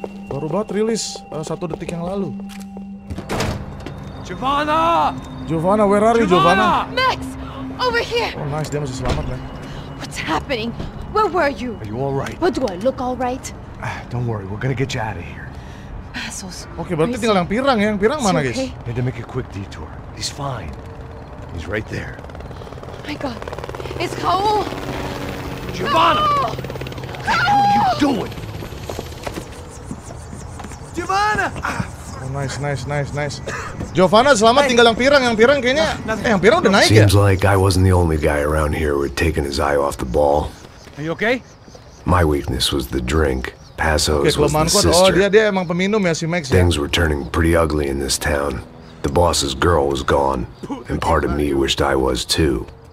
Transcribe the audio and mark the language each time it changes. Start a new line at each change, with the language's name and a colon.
Indonesian: Baru banget rilis, 1 detik yang lalu.
English: Giovanna, where are you, Giovanna? Max, over here. Oh, nice.
Indonesian: Dia masih selamat, man.
English: What's happening? Where were you? Are you all right? But do I look all right? Don't worry, we're gonna get you out of here. Passos.
Indonesian: Okay, berarti tinggal yang pirang ya. Yang pirang mana, guys?
English: I had to make a quick detour. He's fine. He's right there. My God, it's Kaul. Giovanna! What the hell are you doing? Giovanna! Nice.
Indonesian: Giovanna selamat, tinggal yang pirang kayaknya. Eh, yang pirang udah naik ya?
English: Seems like I wasn't the only guy around here who had taken his eye off the ball. Are you okay? My weakness was the drink. Passos was the sister.
Indonesian: Oh, dia emang peminum ya, si Max ya.
English: Things were turning pretty ugly in this town. The boss's girl was gone. And part of me wished I was too.